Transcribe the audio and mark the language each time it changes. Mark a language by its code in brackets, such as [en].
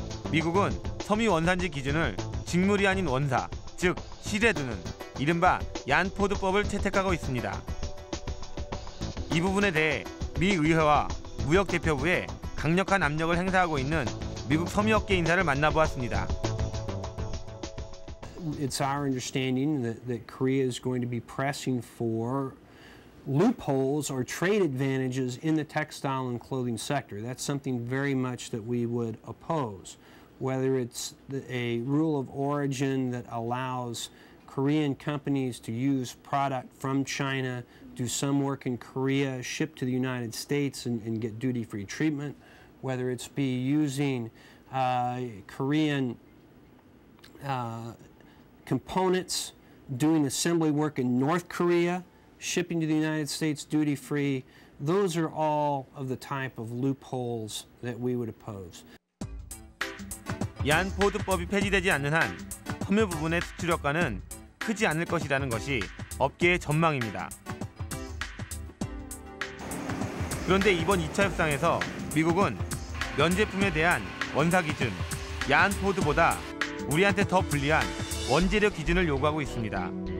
[ko] 미국은 섬유 원산지 기준을 직물이 아닌 원사, 즉 실에 두는 이른바 얀포드법을 채택하고 있습니다. 이 부분에 대해 미 의회와 무역대표부에 강력한 압력을 행사하고 있는 미국 섬유업계 인사를 만나보았습니다. [en] It's our understanding that Korea is going to be pressing for loopholes or trade advantages in the textile and clothing sector. That's something very much that we would oppose. Whether it's a rule of origin that allows Korean companies to use product from China, do some work in Korea, ship to the United States and get duty-free treatment. Whether it's be using Korean components, doing assembly work in North Korea, shipping to the United States duty-free, those are all of the type of loopholes that we would oppose. [ko] 얀포드법이 폐지되지 않는 한 섬유 부분의 수출 효과는 크지 않을 것이라는 것이 업계의 전망입니다. 그런데 이번 2차 협상에서 미국은 면제품에 대한 원사 기준, 얀포드보다 우리한테 더 불리한 원재료 기준을 요구하고 있습니다.